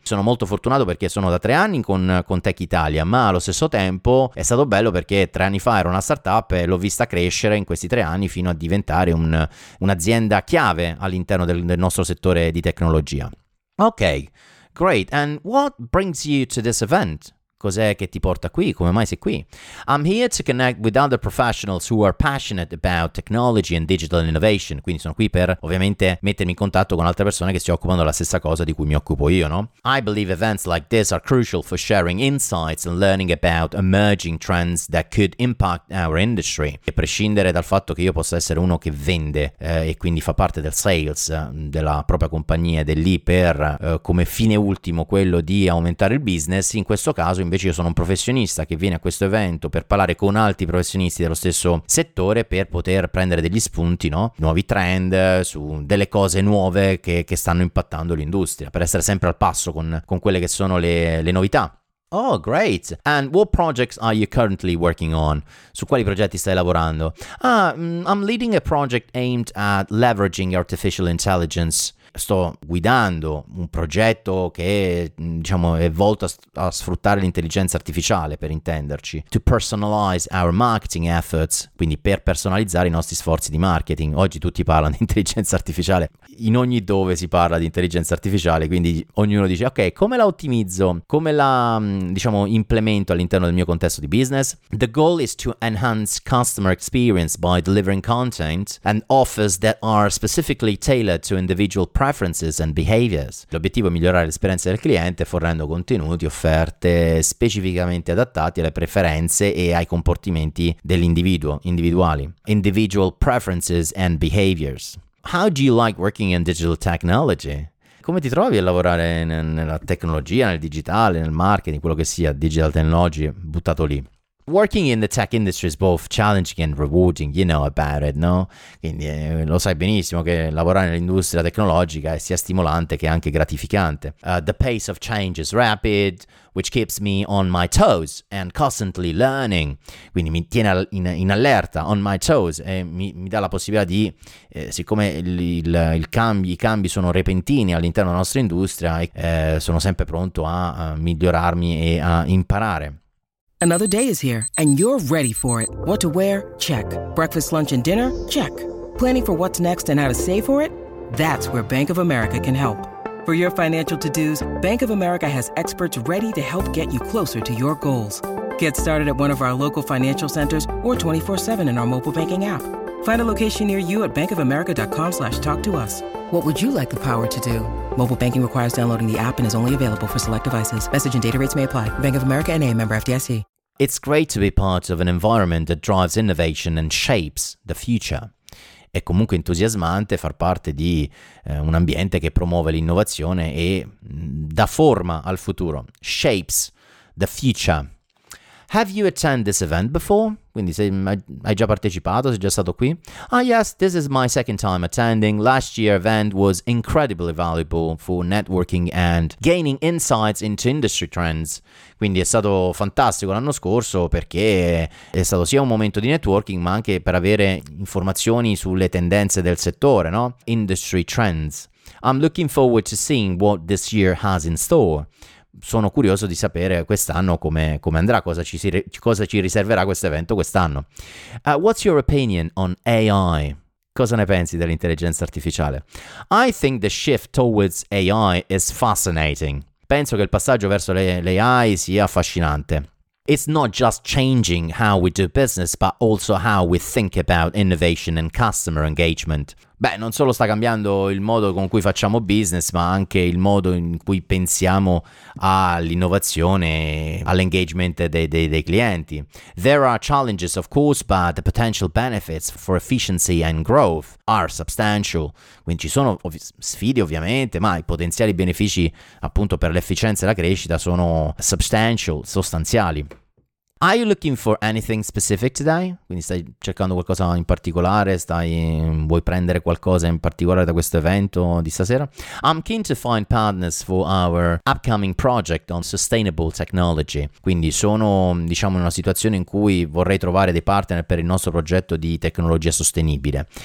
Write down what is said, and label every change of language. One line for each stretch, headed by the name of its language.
Italian: Sono molto fortunato perché sono da 3 anni con Tech Italia, ma allo stesso tempo è stato bello perché 3 anni fa era una startup e l'ho vista crescere in questi 3 anni fino a diventare un'azienda chiave all'interno del nostro settore di tecnologia.
English: Okay, great. And what brings you to this event?
Italian: Cos'è che ti porta qui? Come mai sei qui?
English: I'm here to connect with other professionals who are passionate about technology and digital innovation.
Italian: Quindi sono qui per, ovviamente, mettermi in contatto con altre persone che si occupano della stessa cosa di cui mi occupo io, no?
English: I believe events like this are crucial for sharing insights and learning about emerging trends that could impact our industry.
Italian: E prescindere dal fatto che io possa essere uno che vende e quindi fa parte del sales della propria compagnia ed è lì per, come fine ultimo, quello di aumentare il business, in questo caso invece io sono un professionista che viene a questo evento per parlare con altri professionisti dello stesso settore per poter prendere degli spunti, no? Nuovi trend, su delle cose nuove che stanno impattando l'industria, per essere sempre al passo con quelle che sono le novità.
English: Oh, great. And what projects are you currently working on?
Italian: Su quali progetti stai lavorando?
English: Ah, I'm leading a project aimed at leveraging artificial intelligence.
Italian: Sto guidando un progetto che, diciamo, è volto a sfruttare l'intelligenza artificiale, per intenderci.
English: To personalize our marketing efforts,
Italian: quindi per personalizzare i nostri sforzi di marketing. Oggi tutti parlano di intelligenza artificiale. In ogni dove si parla di intelligenza artificiale, quindi ognuno dice, ok, come la ottimizzo? Come la, diciamo, implemento all'interno del mio contesto di business?
English: The goal is to enhance customer experience by delivering content and offers that are specifically tailored to individual preferences and behaviors.
Italian: L'obiettivo è migliorare l'esperienza del cliente fornendo contenuti, offerte specificamente adattati alle preferenze e ai comportamenti dell'individuo, individuali.
English: Individual preferences and behaviors. How do you like working in digital technology?
Italian: Come ti trovi a lavorare nella tecnologia, nel digitale, nel marketing, quello che sia, digital technology, buttato lì?
English: Working in the tech industry is both challenging and rewarding, you know about it, no?
Italian: Quindi lo sai benissimo che lavorare nell'industria tecnologica è sia stimolante che anche gratificante.
English: The pace of change is rapid, which keeps me on my toes and constantly learning.
Italian: Quindi mi tiene in allerta,
English: on my toes,
Italian: e mi dà la possibilità di, siccome i cambi sono repentini all'interno della nostra industria, sono sempre pronto a migliorarmi e a imparare.
English: Another day is here, and you're ready for it. What to wear? Check. Breakfast, lunch, and dinner? Check. Planning for what's next and how to save for it? That's where Bank of America can help. For your financial to-dos, Bank of America has experts ready to help get you closer to your goals. Get started at one of our local financial centers or 24/7 in our mobile banking app. Find a location near you at bankofamerica.com/talktous. What would you like the power to do? Mobile banking requires downloading the app and is only available for select devices. Message and data rates may apply. Bank of America NA, member FDIC. It's great to be part of an environment that drives innovation and shapes the future.
Italian: È comunque entusiasmante far parte di un ambiente che promuove l'innovazione e dà forma al futuro.
English: Shapes the future. Have you attended this event before?
Italian: Quindi hai già partecipato, sei già stato qui?
English: Ah, yes, this is my second time attending. Last year event was incredibly valuable for networking and gaining insights into industry trends.
Italian: Quindi è stato fantastico l'anno scorso perché è stato sia un momento di networking ma anche per avere informazioni sulle tendenze del settore, no?
English: Industry trends. I'm looking forward to seeing what this year has in store.
Italian: Sono curioso di sapere quest'anno come andrà, cosa ci riserverà questo evento quest'anno.
English: What's your opinion on AI?
Italian: Cosa ne pensi dell'intelligenza artificiale?
English: I think the shift towards AI is fascinating.
Italian: Penso che il passaggio verso l'AI sia affascinante.
English: It's not just changing how we do business, but also how we think about innovation and customer engagement.
Italian: Beh, non solo sta cambiando il modo con cui facciamo business, ma anche il modo in cui pensiamo all'innovazione, all'engagement dei clienti.
English: There are challenges, of course, but the potential benefits for efficiency and growth are substantial.
Italian: Quindi ci sono sfide, ovviamente, ma i potenziali benefici, appunto, per l'efficienza e la crescita sono substantial, sostanziali.
English: Are you looking for anything specific today?
Italian: Quindi stai cercando qualcosa in particolare? Vuoi prendere qualcosa in particolare da questo evento di stasera?
English: I'm keen to find partners for our upcoming project on sustainable technology.
Italian: Quindi sono, diciamo, in una situazione in cui vorrei trovare dei partner per il nostro progetto di tecnologia sostenibile.